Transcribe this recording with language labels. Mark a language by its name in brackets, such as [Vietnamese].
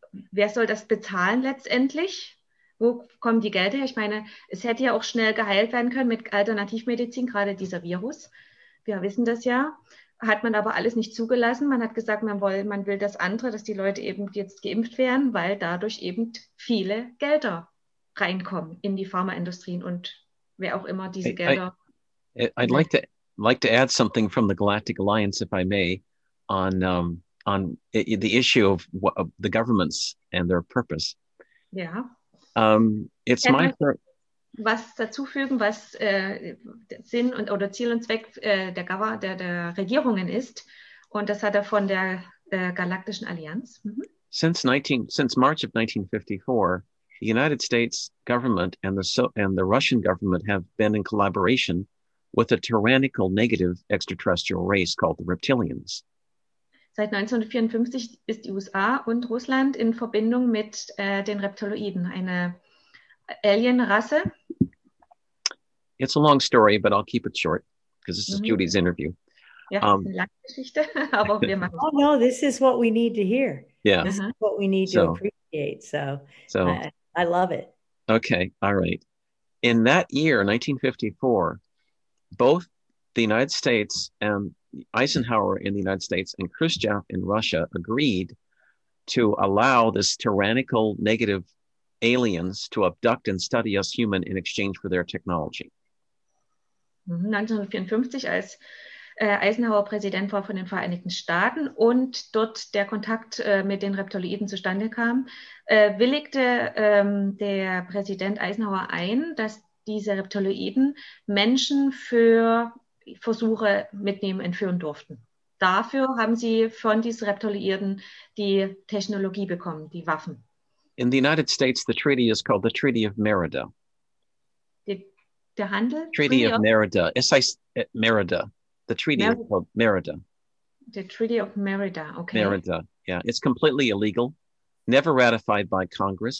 [German] wer soll das bezahlen letztendlich? Wo kommen die Gelder her? Ich meine, es hätte ja auch schnell geheilt werden können mit Alternativmedizin, gerade dieser Virus. Wir wissen das ja. Hat man aber alles nicht zugelassen. Man hat gesagt, man will das andere, dass die Leute eben jetzt geimpft werden, weil dadurch eben viele Gelder reinkommen in die Pharmaindustrien und wer auch immer diese Gelder... [English] I'd like to add something from the Galactic Alliance, if I may, on the issue of the governments and their purpose. Yeah. It's Can my per- [German] was dazufügen, was Sinn und oder Ziel und Zweck der Regierungen ist, und das hat von der Galaktischen Allianz. Mm-hmm. [English] Since March of 1954, the United States government and the Russian government have been in collaboration with a tyrannical negative extraterrestrial race called the Reptilians. [German] Seit 1954 ist die USA und Russland in Verbindung mit den Reptiloiden, eine Alien-Rasse. [English] It's a long story, but I'll keep it short, because this is Judy's interview. [German] Ja, eine lange Geschichte, aber wir machen. [English] Oh no, this is what we need to hear. Yeah. This is what we need to appreciate, so I love it. Okay, all right. In that year, 1954, both the United States and Eisenhower in the United States and Khrushchev in Russia agreed to allow this tyrannical negative aliens to abduct and study us human in exchange for their technology. [German] 1954, als Eisenhower Präsident war von den Vereinigten Staaten und dort der Kontakt mit den Reptiloiden zustande kam, willigte der Präsident Eisenhower ein, dass diese Reptiloiden Menschen für Versuche mitnehmen, entführen durften. Dafür haben sie von diesen Reptiloiden die Technologie bekommen, die Waffen. [English] In the United States, the treaty is called the Treaty of Merida. [German] Die der Handel. [English] Treaty of Merida. [German] Es heißt Merida. [English] The Treaty of Merida. The Treaty of Merida, okay. Merida, yeah. It's completely illegal. Never ratified by Congress.